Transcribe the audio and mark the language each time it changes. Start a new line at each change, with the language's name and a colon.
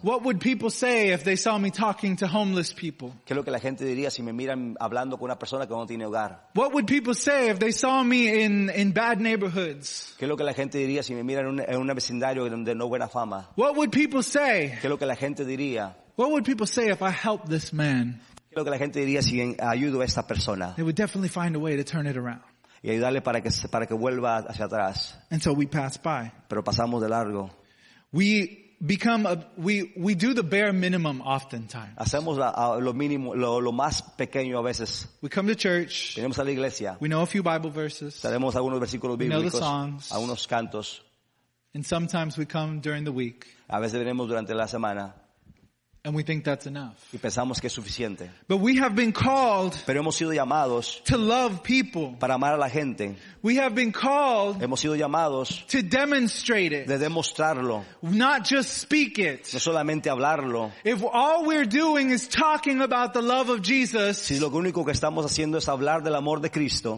English: What would people say if they saw me talking to homeless people?
Spanish: ¿Qué es lo que la gente diría si me miran hablando con una persona que no tiene hogar?
English: What would people say if they saw me in bad neighborhoods?
Spanish: ¿Qué es lo que la gente diría si me miran en un vecindario donde no buena fama?
English: What would people say?
Spanish: ¿Qué es lo que la gente diría?
English: What would people say if I helped this man?
Spanish: ¿Qué es lo que la gente diría si ayudo a esta persona?
English: They would definitely find a way to turn it around.
Spanish: Y ayudarle para que vuelva hacia atrás.
English: And so we pass by.
Spanish: Pero pasamos de largo.
English: We do the bare minimum oftentimes.
Spanish: Hacemos lo mínimo, lo más pequeño a veces.
English: We come to church.
Spanish: Venimos a la iglesia.
English: We know a few Bible verses.
Spanish: Sabemos algunos versículos bíblicos.
English: We know the songs.
Spanish: Algunos cantos.
English: And sometimes we come during the week.
Spanish: A veces venimos durante la semana.
English: And we think that's enough.
Spanish: Y pensamos que es suficiente.
English: But we have been called.
Spanish: Pero hemos sido llamados.
English: To love people.
Spanish: Para amar a la gente.
English: We have been called.
Spanish: Hemos sido llamados.
English: To demonstrate it.
Spanish: De demostrarlo.
English: Not just speak it.
Spanish: No solamente hablarlo.
English: If all we're doing is talking about the love of Jesus.
Spanish: Si lo único que estamos haciendo es hablar del amor de Cristo.